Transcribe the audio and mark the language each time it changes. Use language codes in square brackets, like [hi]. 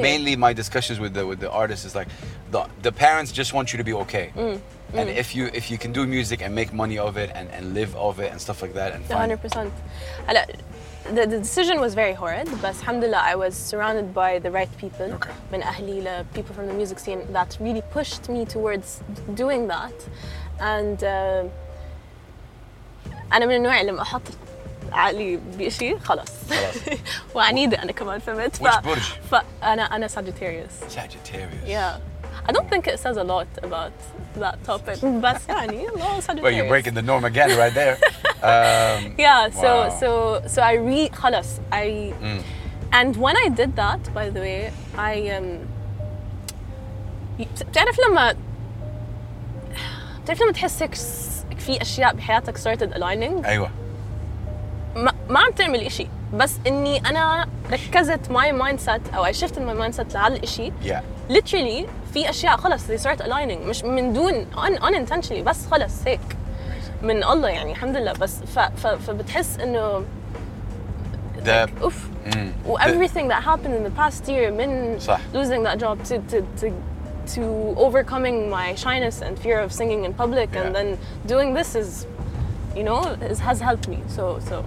[en] mainly my discussions with the artists is like the parents just want you to be okay and if you can do music and make money of it and live of it and stuff like that and 100% هلا The decision was very horrid, but alhamdulillah, I was surrounded by the right people, [ar] من أهلي لا [en] people from the music scene that really pushed me towards doing that. [ar] And أنا من النوع اللي أحط عقلي بشيء خلاص. وعنيدة أنا كمان فهمت. Which برج؟ فأنا Sagittarius. [en] Sagittarius. Yeah. I don't think it says a lot about that topic, but يعني, well, you're breaking the norm again, right there. So I read خلاص. And when I did that, by the way, I [ar] تعرف لما تحس إنك في أشياء بحياتك [en] started aligning. [ar] أيوة. ما عم تعمل إشي. بس إني أنا ركزت [en] my mindset [ar] أو [en] I shifted my mindset [ar] لعل إشي. [en] Yeah. Literally. [ar] في أشياء خلص [en] they start aligning [ar] مش من دون unintentionally بس خلص هيك من الله يعني الحمد لله بس فبتحس إنه [en] like, أوف و everything that happened in the past year [ar] من صح. [en] losing that job to overcoming my shyness and fear of singing in public and then doing this is you know is, has helped me so